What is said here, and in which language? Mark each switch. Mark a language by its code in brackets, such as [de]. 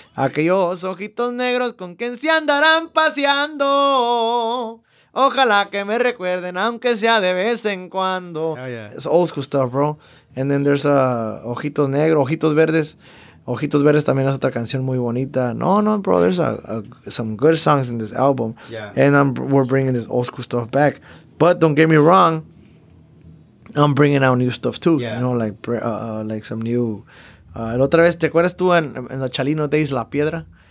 [es] Aquellos ojitos negros con quien se andarán paseando. Ojalá que me recuerden, aunque sea de vez en cuando. [en] Yeah. It's old school stuff, bro. And then there's Ojitos Negros, Ojitos Verdes. [es] Ojitos Verdes también es otra canción muy bonita. [en] No, bro, there's some good songs in this album. Yeah. And we're bringing this old school stuff back. But don't get me wrong, I'm bringing out new stuff too. Yeah. You know, like some new... [es] otra vez, ¿te acuerdas tú en los Chalino Days, La Piedra?